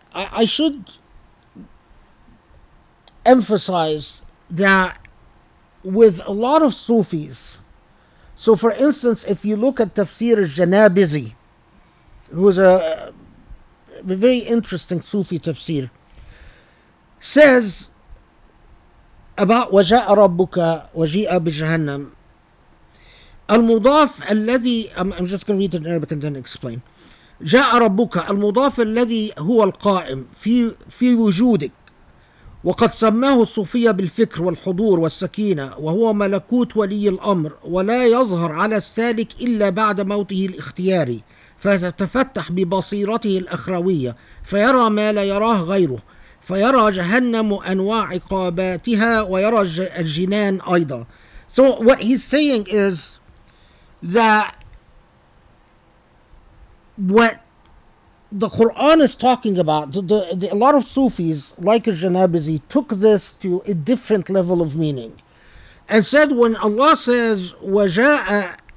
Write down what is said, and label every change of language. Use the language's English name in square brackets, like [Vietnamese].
[English] I should emphasize that with a lot of Sufis, so for instance, if you look at Tafsir al-Janabizi, who is a very interesting Sufi Tafsir, says about [Arabic] وَجَاءَ رَبُّكَ وَجِيءَ بِجَهَنَّمْ المضاف الذي, [English] I'm just going to read it in Arabic and then explain. [Arabic] جاء ربك المضاف الذي هو القائم في وجودك, وقد سماه الصوفية بالفكر والحضور والسكينة, وهو ملكوت ولي الأمر, ولا يظهر على السالك إلا بعد موته الاختياري, فتتفتح ببصيرته الأخروية فيرى ما لا يراه غيره, فيرى جهنم أنواع عقاباتها, ويرى الجنان أيضا. [English] So what he's saying is that what the Quran is talking about, the a lot of Sufis, like al-Janabizi, took this to a different level of meaning and said when Allah says [Arabic] وَجَاءَ